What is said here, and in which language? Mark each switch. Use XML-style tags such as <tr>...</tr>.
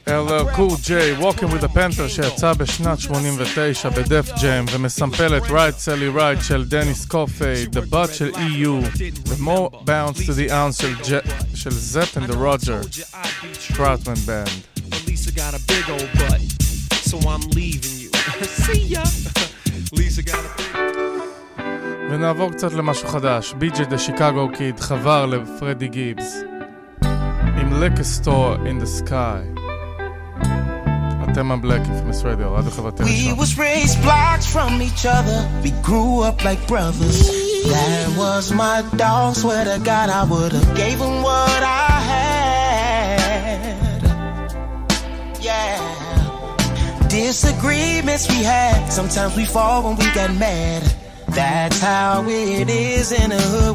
<he>Hello, Cool J, walking with the Panther שיצא בשנת 89 בדף ג'אם ומסמפלת Right Sally Right של דניס קופי, The Butt של EU, The More Bounce to the Ounce של Zep and the Roger Troutman Band.</he> <en>Lisa got a big old butt, so I'm leaving you. See ya. Lisa got a big</en> <he>ונעבור קצת למשהו חדש. BJ the Chicago Kid חבר לפרדי גיבס עם Liquor Store in the Sky. אתם הבלק אינפמס רדיו, רדיו חברתי ראשון.</he> <en>We was raised blocks from each other. We grew up like brothers. That was my dog, swear to God I would have gave him what I had. Yeah. Disagreements we had. Sometimes we fall when we get mad. That's how it is in the hood.</en>